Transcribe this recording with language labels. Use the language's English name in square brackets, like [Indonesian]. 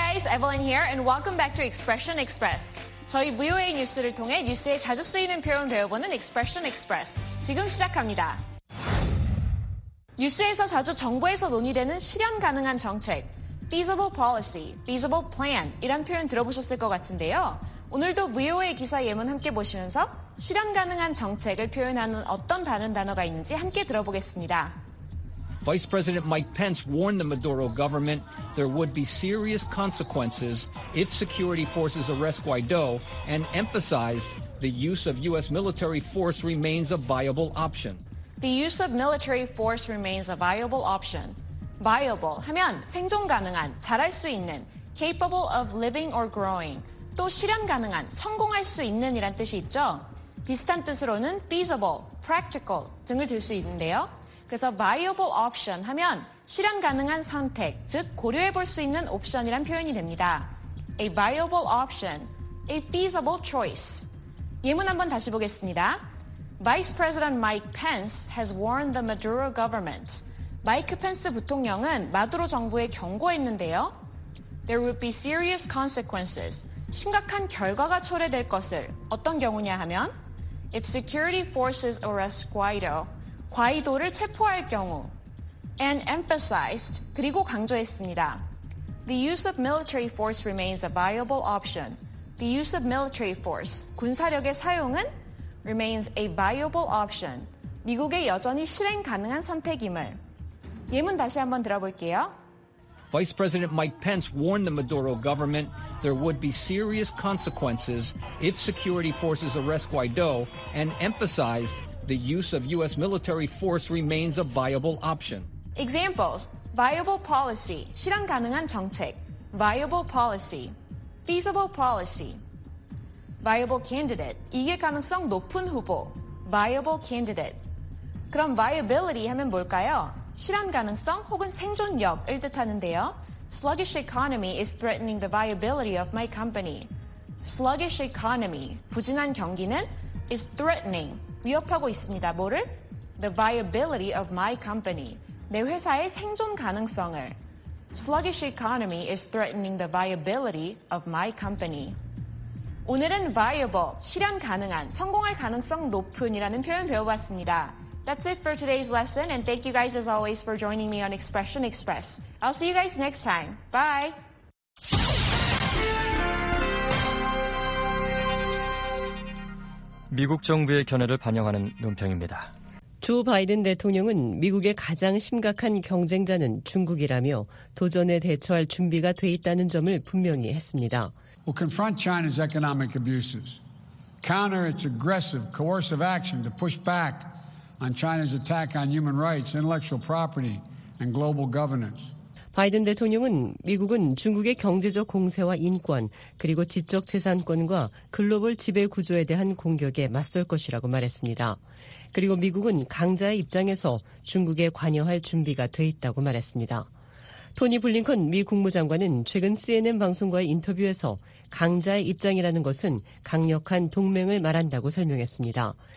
[English] Evelyn here, and welcome back to Expression Express. [Korean] 저희 VOA 뉴스를 통해 뉴스에 자주 쓰이는 표현 배워보는 Expression Express. 지금 시작합니다. 뉴스에서 자주 정부에서 논의되는 실현 가능한 정책, [English] feasible policy, feasible plan [Korean] 이런 표현 들어보셨을 것 같은데요. 오늘도 VOA 기사 예문 함께 보시면서 실현 가능한 정책을 표현하는 어떤 다른 단어가 있는지 함께 들어보겠습니다. [English] Vice President Mike Pence warned the Maduro government there would be serious consequences if security forces arrest Guaido and emphasized the use of U.S. military force remains a viable option. The use of military force remains a viable option. [Korean] Viable 하면 생존 가능한, 잘할 수 있는, [English] capable of living or growing, [Korean] 또 실현 가능한, 성공할 수 있는 이란 뜻이 있죠. 비슷한 뜻으로는 feasible, practical 등을 들 수 있는데요. 그래서 viable option 하면 실현 가능한 선택, 즉 고려해 볼 수 있는 옵션이란 표현이 됩니다. [English] A viable option, a feasible choice. [Korean] 예문 한번 다시 보겠습니다. [English] Vice President Mike Pence has warned the Maduro government. [Korean] 마이크 펜스 부통령은 마두로 정부에 경고했는데요. [English] There would be serious consequences. [Korean] 심각한 결과가 초래될 것을 어떤 경우냐 하면 [English] If security forces arrest Guaido, [Korean] 과이도를 체포할 경우 [English] And emphasized, [Korean] 그리고 강조했습니다. [English] The use of military force remains a viable option. The use of military force, [Korean] 군사력의 사용은 [English] remains a viable option. [Korean] 미국의 여전히 실행 가능한 선택임을. 예문 다시 한번 들어볼게요. [English] Vice President Mike Pence warned the Maduro government there would be serious consequences if security forces arrest Guaido and emphasized the use of U.S. military force remains a viable option. Examples, viable policy, [Korean] 실현 가능한 정책, [English] viable policy, feasible policy, viable candidate, [Korean] 이길 가능성 높은 후보, [English] viable candidate. [Korean] 그럼 viability 하면 뭘까요? 실현 가능성 혹은 생존력을 뜻하는데요. [English] Sluggish economy is threatening the viability of my company. Sluggish economy, [Korean] 부진한 경기는 [English] is threatening, [Korean] 위협하고 있습니다. 뭐를? [English] The viability of my company. [Korean] 내 회사의 생존 가능성을. [English] Sluggish economy is threatening the viability of my company. [Korean] 오늘은 viable, 실현 가능한, 성공할 가능성 높은이라는 표현 배워봤습니다. [English] That's it for today's lesson, and thank you guys as always for joining me on Expression Express. I'll see you guys next time. Bye! [Korean] (미국 정부의 견해를 반영하는 논평입니다.) 조 바이든 대통령은 미국의 가장 심각한 경쟁자는 중국이라며 도전에 대처할 준비가 돼 있다는 점을 분명히 했습니다. [English] We'll confront China's economic abuses. Counter its aggressive, coercive action to push back on China's attack on human rights, intellectual property, and global governance. [Korean] 바이든 대통령은 미국은 중국의 경제적 공세와 인권, 그리고 지적 재산권과 글로벌 지배 구조에 대한 공격에 맞설 것이라고 말했습니다. 그리고 미국은 강자의 입장에서 중국에 관여할 준비가 돼 있다고 말했습니다. 토니 블링컨 미 국무장관은 최근 CNN 방송과의 인터뷰에서 강자의 입장이라는 것은 강력한 동맹을 말한다고 설명했습니다.